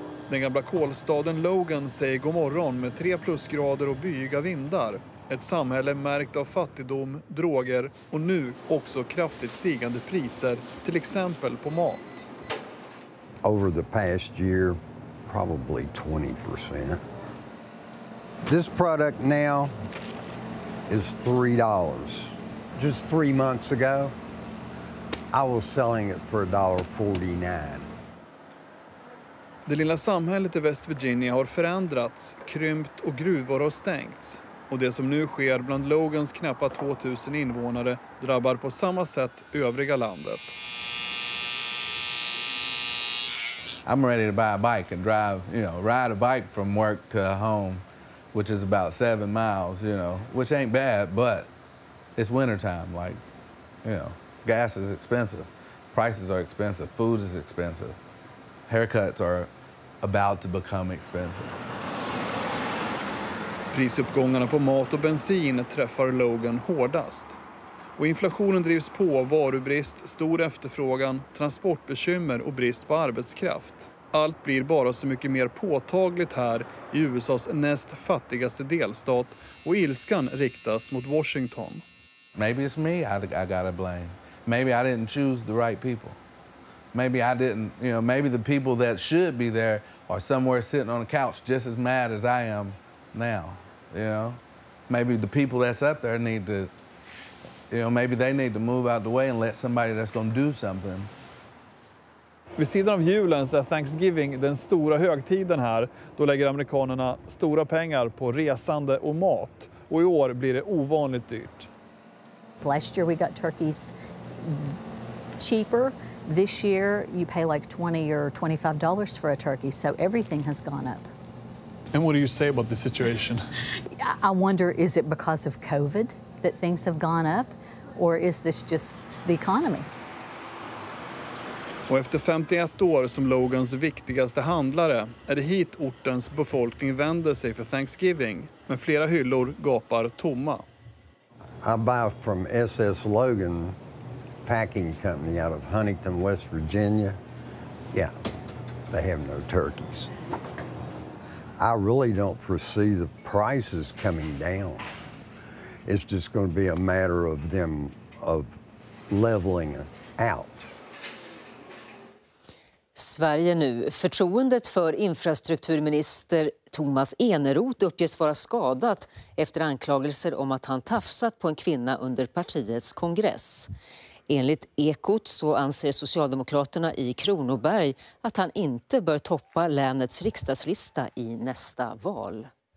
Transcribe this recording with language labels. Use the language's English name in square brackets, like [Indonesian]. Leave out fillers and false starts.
[Swedish] Den gamla kolstaden Logan säger god morgon med 3 plusgrader och byiga vindar. Ett samhälle märkt av fattigdom, droger och nu också kraftigt stigande priser, till exempel på mat. [English] Over the past year, probably 20%. This product now is $3. Just 3 months ago, I was selling it for $1.49. [Swedish] Det lilla samhället i West Virginia har förändrats, krympt och gruvor har stängts. Och det som nu sker bland Logans knappa 2000 invånare drabbar på samma sätt övriga landet. [English] I'm ready to buy a bike and drive, you know, ride a bike from work to home, which is about 7 miles, you know, which ain't bad, but it's winter time, like, you know, gas is expensive, prices are expensive, food is expensive, haircuts are about to become expensive. [Swedish] Prisuppgångarna på mat och bensin träffar Logan hårdast. Och inflationen drivs på av varubrist, stor efterfrågan, transportbekymmer och brist på arbetskraft. Allt blir bara så mycket mer påtagligt här i USA:s näst fattigaste delstat och ilskan riktas mot Washington. [English] Maybe it's me I gotta blame. Maybe I didn't choose the right people. Maybe I didn't, you know, maybe the people that should be there are somewhere sitting on a couch just as mad as I am. Now, you know, maybe the people that's up there need to, you know, maybe they need to move out the way and let somebody that's going to do something. [Swedish] Vid sidan av julen så är Thanksgiving den stora högtiden här. Då lägger amerikanerna stora pengar på resande och mat. Och i år blir det ovanligt dyrt. [English] Last year we got turkeys cheaper. This year you pay like $20 or $25 for a turkey. So everything has gone up. And what do you say about the situation? I wonder, is it because of COVID that things have gone up, or is this just the economy? [Swedish] Och efter 51 år som Logans viktigaste handlare är det hit ortens befolkning vänder sig för Thanksgiving, men flera hyllor gapar tomma. [English] I buy from SS Logan Packing Company out of Huntington, West Virginia. Yeah, they have no turkeys. I really don't foresee the prices coming down. It's just going to be a matter of them of leveling out. [Swedish] Sverige nu. Förtroendet för infrastrukturminister Tomas Eneroth uppges vara skadat efter anklagelser om att han tafsat på en kvinna under partiets kongress. Enligt Ekot så anser Socialdemokraterna i Kronoberg att han inte bör toppa länets riksdagslista i nästa val.